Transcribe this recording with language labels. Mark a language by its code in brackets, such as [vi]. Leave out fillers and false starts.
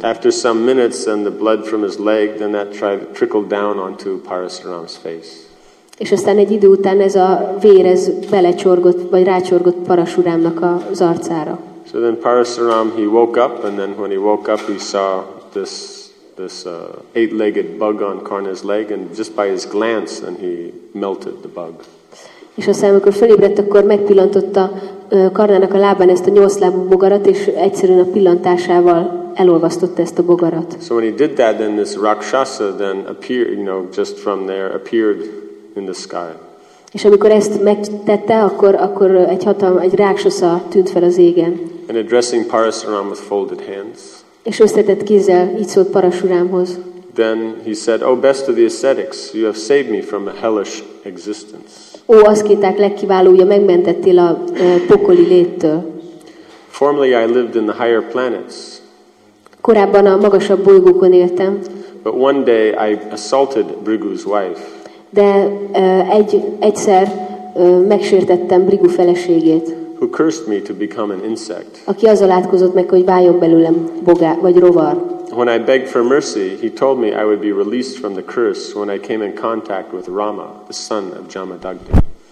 [en] After some minutes and the blood from his leg, then that trickled down onto Parasuram's face. [hu] És aztán egy idő után ez a vér, ez belecsorgott, vagy rácsorgott Parasuramnak az arcára. [en] So then Parasuram, he woke up, and then when he woke up, he saw this eight-legged bug on Karna's leg, and just by his glance, and he melted the bug. [hu] És aztán, amikor felébredt, akkor megpillantotta Karnának a lábán ezt a nyolclábú bogarat, és egyszerűen a pillantásával elolvasztotta ezt a bogarat. [en] So when he did that, then this rakshasa then appeared, you know, just from there, appeared in the sky. [hu] És amikor ezt megtette, akkor egy rakshasa tűnt fel az égen. [en] And addressing Parasuram with folded hands. [hu] És összetett kézzel így szólt Parasuramhoz. [en] Then he said, "O best of the ascetics, you have saved me from a hellish existence." [hu] Ó, aszkéták legkiválója, megmentettél a pokoli léttől. [en] Formerly I lived in the higher planets. [hu] Korábban a magasabb bolygókon éltem. [en] But one day I assaulted Bhrigu's wife. [hu] De egyszer megsértettem Bhrigu feleségét. [en] Who cursed me to become an insect. [hu] Aki azzal átkozott meg, hogy váljon belőlem bogár vagy rovar. [en] When I begged for mercy, he told me I would be released from the curse when I came in contact with Rama, the son of Jamadagni.